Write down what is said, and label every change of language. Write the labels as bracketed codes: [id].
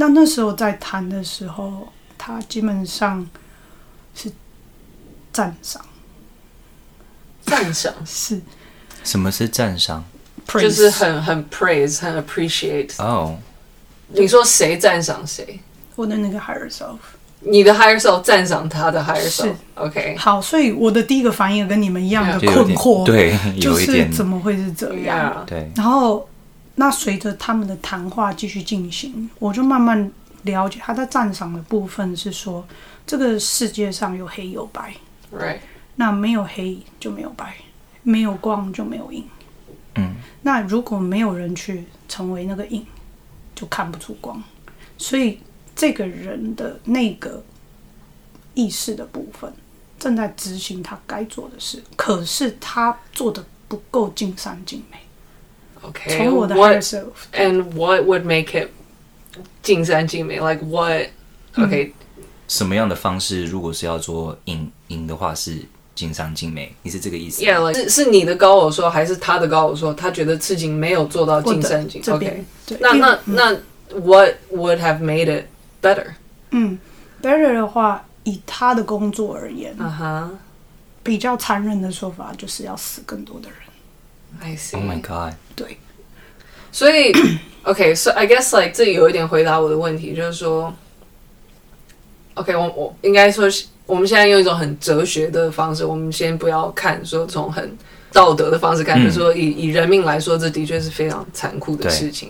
[zh] 那时候在谈的时候，他基本上是赞赏，赞赏是。什么是赞赏？ [en] Praise. [zh] 就是很 praise， 很 appreciate。哦，你说谁赞赏谁？我的那个 higher self，你的 higher self 赞赏他的 higher self，是 OK。好，所以我的第一个反应跟你们一样的困惑，对，就是怎么会是这样？对。然后，那随着他们的谈话继续进行，我就慢慢了解他在赞赏的部分是说，这个世界上有黑有白，Right？那没有黑就没有白，没有光就没有影。嗯。那如果没有人去成为那个影，就看不出光，所以。这个人的那个意识的部分正在执行他该做的事，可是他做的不够尽善尽美。 Okay, 从我的 higher self [en] and what would make it [zh] 尽善尽美 [en] ？Like what? Okay， [zh] 什么样的方式？如果是要做影的话，是尽善尽美？你是这个意思？Yeah， like, 是你的高我说，还是他的高我说？他觉得事情没有做到尽善尽美。 Okay， 那。 [en] What would have made it better? [zh] 嗯 ，better 的话，以他的工作而言，啊哈，比较残忍的说法就是要死更多的人。 [en] I see. Oh my god. [zh] 对，所以 [en] OK， so I guess like [zh] 这有一点回答我的问题，就是说 ，OK， 我应该说，我们现在用一种很哲学的方式，我们先不要看说从很道德的方式看，就是说以人命来说，这的确是非常残酷的事情。